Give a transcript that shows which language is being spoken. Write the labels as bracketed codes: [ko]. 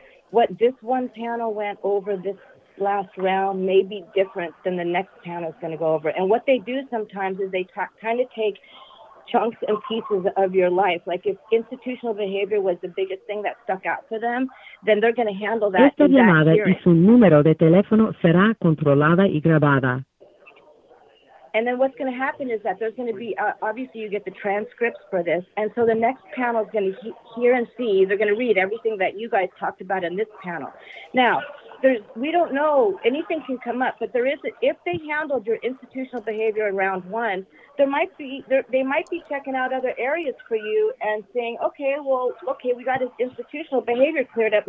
[en] What this one panel went over this last round may be different than the next panel is going to go over. And what they do sometimes is they kind of take chunks and pieces of your life. Like, if institutional behavior was the biggest thing that stuck out for them, then they're going to handle that. [es] Esta llamada y su número de teléfono será controlada y grabada. [en] And then what's going to happen is that there's going to be, obviously you get the transcripts for this, and so the next panel is going to hear and see, they're going to read everything that you guys talked about in this panel. Now, we don't know, anything can come up, but if they handled your institutional behavior in round one, they might be checking out other areas for you and saying, okay, we got his institutional behavior cleared up.